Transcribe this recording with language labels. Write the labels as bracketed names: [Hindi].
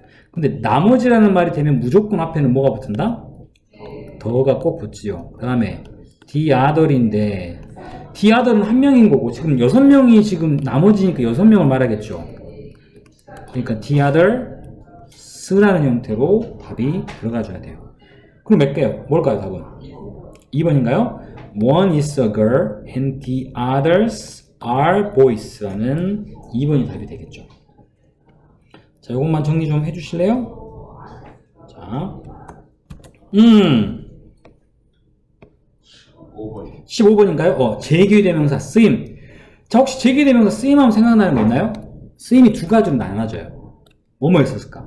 [Korean] 근데 나머지라는 말이 되면 무조건 앞에는 뭐가 붙는다? 더가 꼭 붙지요. 그 다음에, the other인데, the other은 한 명인 거고, 지금 여섯 명이 지금 나머지니까 여섯 명을 말하겠죠. 그러니까 the other, 쓰라는 형태로 답이 들어가줘야 돼요. 그럼 몇 개요? 뭘까요, 답은? 2번인가요? [English] One is a girl and the others are boys. [Korean] 라는 2번이 답이 되겠죠. 자, 이것만 정리 좀 해주실래요? 자, 15번. 15번인가요? 재기대명사 쓰임. 자, 혹시 재기대명사 쓰임 하면 생각나는 거 있나요? 쓰임이 두 가지로 나눠져요. 뭐뭐 있었을까?